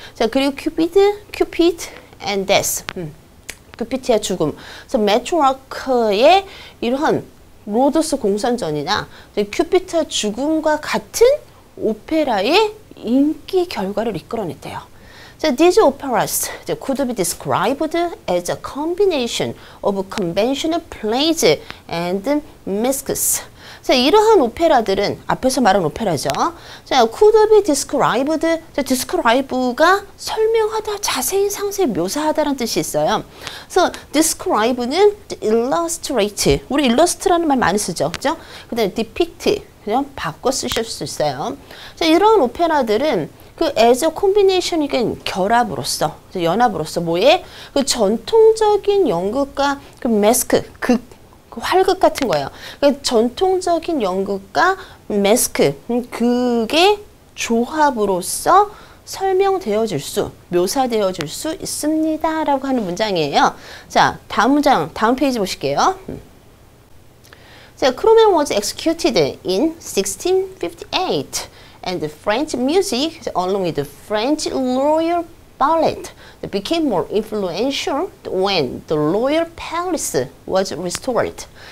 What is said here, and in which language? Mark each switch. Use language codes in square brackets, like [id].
[ko] 자, 그리고 큐피드 and death, 큐피트의 죽음. 그래서 매트로크의 이러한 로도스 공산전이나 큐피트의 죽음과 같은 오페라의 인기 결과를 이끌어냈대요. [en] So these operas could be described as a combination of conventional plays and masques. [ko] 자, 이러한 오페라들은 앞에서 말한 오페라죠. 자, [en] could be described. [ko] 자, describe가 설명하다, 자세히 상세히 묘사하다라는 뜻이 있어요. 그래서 describe는 illustrate. 우리 illustrate라는 말 많이 쓰죠. 그죠? 그다음에 depict. 그냥 바꿔 쓰실 수 있어요. 자, 이러한 오페라들은 그 [en] as a combination, [ko] 이건 결합으로서, 연합으로서 뭐에 그 전통적인 연극과 그 마스크, 극 활극 같은 거예요. 그러니까 전통적인 연극과 마스크, 그게 조합으로서 설명되어질 수, 묘사되어질 수 있습니다. 라고 하는 문장이에요. 자, 다음 문장, 다음 페이지 보실게요. [en] 자, Cromwell was executed in 1658 and the French music along with the French royal ballet became more influential when the royal palace was restored.